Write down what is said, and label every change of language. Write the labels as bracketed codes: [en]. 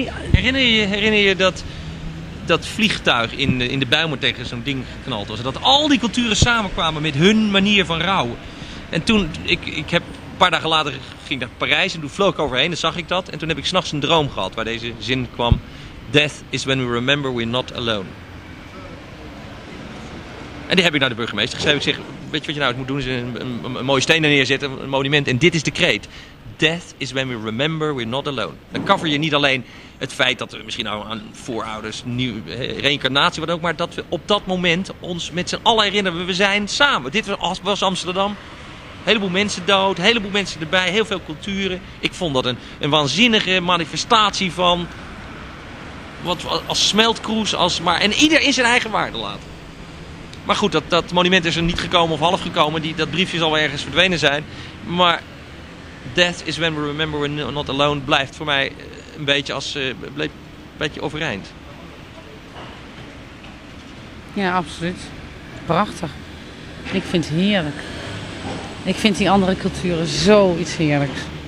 [nl] Herinner je dat vliegtuig in de Bijlmer tegen zo'n ding geknald was? Dat al die culturen samenkwamen met hun manier van rouw. En toen, ik heb een paar dagen later ging naar Parijs en toen vloog ik overheen en zag ik dat. En toen heb ik 's nachts een droom gehad waar deze zin kwam. [en] Death is when we remember we're not alone. [nl] En die heb ik naar de burgemeester geschreven. Ik zeg, weet je wat je nou moet doen? Is een mooie steen neerzetten, een monument. En dit is de kreet. [en] Death is when we remember we're not alone. [nl] Dan cover je niet alleen het feit dat we misschien nou aan voorouders, reïncarnatie, wat ook. Maar dat we op dat moment ons met z'n allen herinneren. We zijn samen. Dit was Amsterdam. Een heleboel mensen dood. Een heleboel mensen erbij. Heel veel culturen. Ik vond dat een waanzinnige manifestatie van... Wat als smeltkroes, als maar. En ieder in zijn eigen waarde laten. Maar goed, dat monument is er niet gekomen of half gekomen. Dat briefje zal wel ergens verdwenen zijn. Maar. [en] Death is when we remember we're not alone. [nl] Blijft voor mij een beetje als. Bleef een beetje overeind. Ja, absoluut. Prachtig. Ik vind het heerlijk. Ik vind die andere culturen zoiets heerlijks.